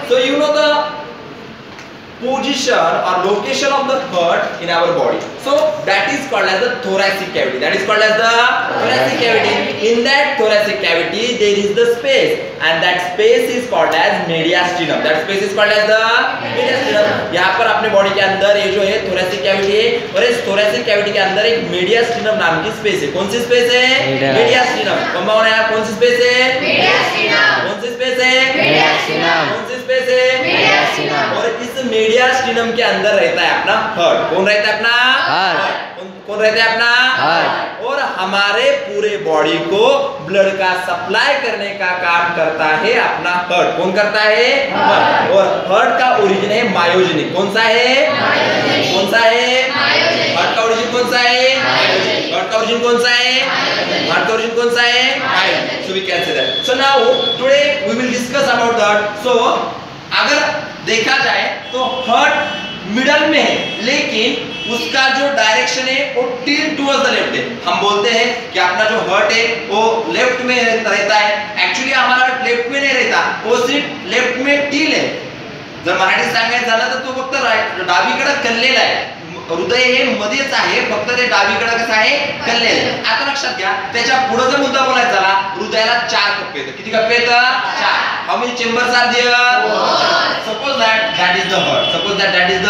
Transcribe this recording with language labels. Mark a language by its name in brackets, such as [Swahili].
[English] So you know the position or location of the heart in our body. So that is called as the thoracic cavity. That is called as the thoracic cavity. In that thoracic cavity, there is the space, and that space is called as mediastinum. That space is called as the mediastinum. [Hindi] यहाँ पर अपने body के अंदर ये जो है thoracic cavity है, और इस thoracic cavity के अंदर एक mediastinum नाम की space है. कौन सी space है? [English] Mediastinum. [Hindi] कम्बा होना है. कौन सी space है? [English] Mediastinum. [Hindi] कौन सी space है? [English] Mediastinum. [Hindi] कौन सी space है? [English] Mediastinum. [Hindi] और इस mediastinum के अंदर रहता है अपना heart. कौन रहता है अपना? [English] Heart. [Hindi] कौन रहते हैं अपना? हाँ। और हमारे पूरे बॉडी को ब्लड का सप्लाई करने का काम करता है अपना हार्ट. कौन करता है? हाँ। और हार्ट का ओरिजिन है मायोजेनिक. कौन सा है? [English] Myogenic. [Hindi] कौन सा है? [English] Myogenic. [Hindi] हार्ट का ओरिजिन कौन सा है? [English] Myogenic. [Hindi] हार्ट का ओरिजिन कौन सा है? [English] Myogenic. [Hindi] हार्ट का ओरिजिन कौन सा है? [English] Myogenic. So we can say that. So now today we will discuss about that. [Hindi] सो अगर देखा जाए तो हार्ट मिडल में है, लेकिन उसका जो डायरेक्शन है वो [English] tilt towards the left [Hindi] है. हम बोलते हैं कि अपना जो हार्ट है वो लेफ्ट में रहता है. एक्चुअली हमारा लेफ्ट में नहीं रहता, वो सिर्फ लेफ्ट में टिल है. [Marathi] जर मराठी सांगायचं झालं तर तो फक्त डावीकडे कललेला आहे. हृदय हे मध्येच आहे, फक्त ते डावीकडे कसं आहे? कललेलं. आता लक्षात घ्या, त्याच्या पुढे जर मुद्दा बोलायचा झाला, हृदयाला चार कप्पे येतात. किती कप्पे येतात? चार. [English] How many chambers are there? Suppose that is the heart. Suppose that is the